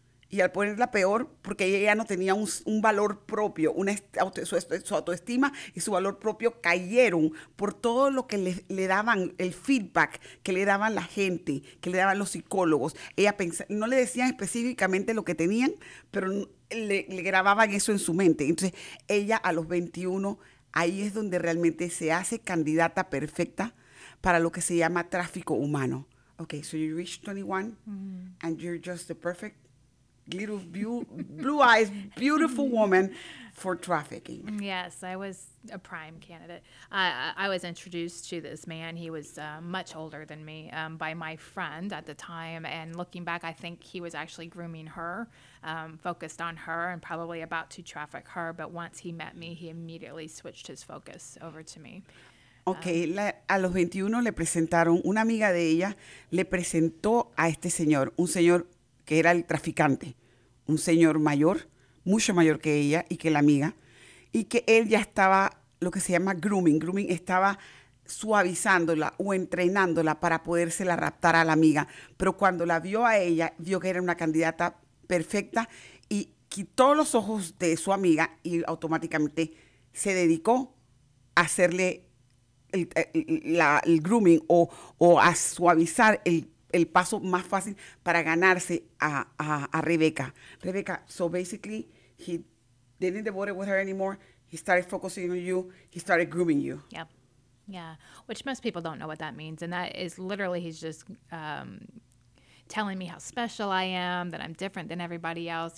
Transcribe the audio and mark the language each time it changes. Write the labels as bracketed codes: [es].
[es] Y al ponerla peor, porque ella ya no tenía un valor propio, su autoestima y su valor propio cayeron por todo lo que le daban, el feedback que le daban la gente, que le daban los psicólogos. Ella no le decían específicamente lo que tenían, pero le grababan eso en su mente. Entonces, ella a los 21, ahí es donde realmente se hace candidata perfecta para lo que se llama tráfico humano. [en] Okay, so you reach 21, mm-hmm. and you're just the perfect little blue eyes, beautiful woman for trafficking. Yes, I was a prime candidate. I was introduced to this man. He was much older than me by my friend at the time. And looking back, I think he was actually grooming her, focused on her, and probably about to traffic her. But once he met me, he immediately switched his focus over to me. [es] Okay, a los 21 le presentaron, una amiga de ella le presentó a este señor, un señor que era el traficante, un señor mayor, mucho mayor que ella y que la amiga, y que él ya estaba, lo que se llama grooming, estaba suavizándola o entrenándola para podérsela raptar a la amiga. Pero cuando la vio a ella, vio que era una candidata perfecta y quitó los ojos de su amiga y automáticamente se dedicó a hacerle el grooming o a suavizar el paso más fácil para ganarse a Rebecca. [en] Rebecca, so basically, he didn't devote with her anymore. He started focusing on you. He started grooming you. Yep. Yeah. Which most people don't know what that means. And that is literally, he's just telling me how special I am, that I'm different than everybody else.